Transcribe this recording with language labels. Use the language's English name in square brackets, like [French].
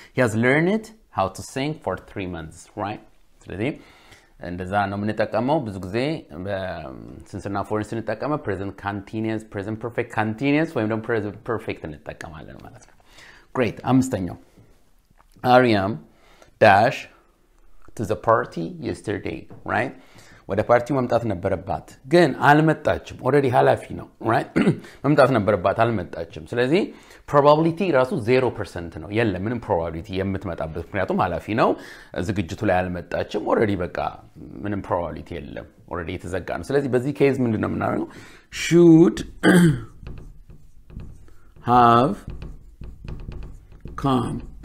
[English] He has learned how to sing for 3 months, right? [Amharic] ስለዚህ እንደዛ ነው የምንጠቀመው. ብዙ ጊዜ በስንስና ፎርስ እንጠቀመ present continuous, present perfect continuous ወይም ደግሞ present perfect እንጠቀማለን ማለት ነው. [English] great. [Amharic] አምስተኛው አሪያም ዳሽ [English] to the party yesterday, right? [Amharic] ወደ ፓርቲው መምጣት ነበርባት ግን አልመጣችም ኦሬዲ ሃላፊ ነው ራይት መምጣት ነበርባት አልመጣችም ስለዚህ probability ራሱ 0% ነው የለም ምንም probability የምትመጣበት ምክንያቱም ሃላፊ ነው ዝግጅቱ ላይ አልመጣችም ኦሬዲ በቃ ምንም probability የለም ኦሬዲ ተዘጋ ነው ስለዚህ በዚህ ኬዝ ምንድነው እናረጋው [English] should have come